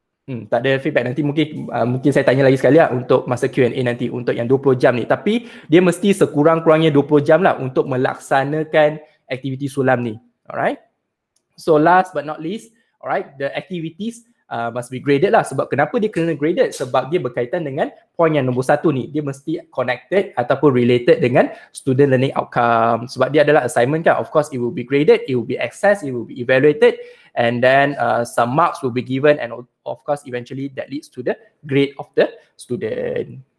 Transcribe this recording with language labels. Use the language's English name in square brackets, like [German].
[Malay] Tak ada feedback, nanti mungkin saya tanya lagi sekali lah untuk masa Q&A nanti untuk yang 20 jam ni. Tapi dia mesti sekurang-kurangnya 20 jam lah untuk melaksanakan aktiviti sulam ni, alright. [English] So last but not least, alright, the activities must be graded lah. [Malay] Sebab kenapa dia kena graded? Sebab dia berkaitan dengan point yang nombor satu ni. Dia mesti connected ataupun related dengan student learning outcome. Sebab dia adalah assignment kan. [English] Of course, it will be graded, it will be assessed, it will be evaluated, and then some marks will be given, and of course, eventually that leads to the grade of the student.